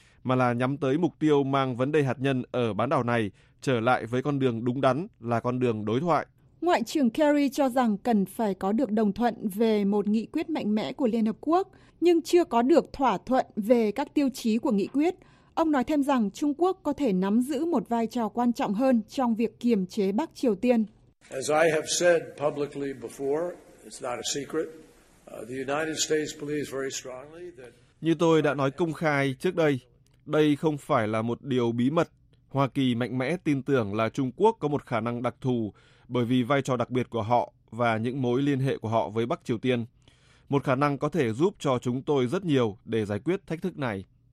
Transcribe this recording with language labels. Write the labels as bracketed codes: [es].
[vi] mà là nhắm tới mục tiêu mang vấn đề hạt nhân ở bán đảo này trở lại với con đường đúng đắn là con đường đối thoại. Ngoại trưởng Kerry cho rằng cần phải có được đồng thuận về một nghị quyết mạnh mẽ của Liên Hợp Quốc, nhưng chưa có được thỏa thuận về các tiêu chí của nghị quyết. Ông nói thêm rằng Trung Quốc có thể nắm giữ một vai trò quan trọng hơn trong việc kiềm chế Bắc Triều Tiên. [en] As I have said publicly before, it's not a secret. The United States believes very strongly that... [vi] Như tôi đã nói công khai trước đây, đây không phải là một điều bí mật. Hoa Kỳ mạnh mẽ tin tưởng là Trung Quốc có một khả năng đặc thù bởi vì vai trò đặc biệt của họ và những mối liên hệ của họ với Bắc Triều Tiên. Một khả năng có thể giúp cho chúng tôi rất nhiều để giải quyết thách thức này.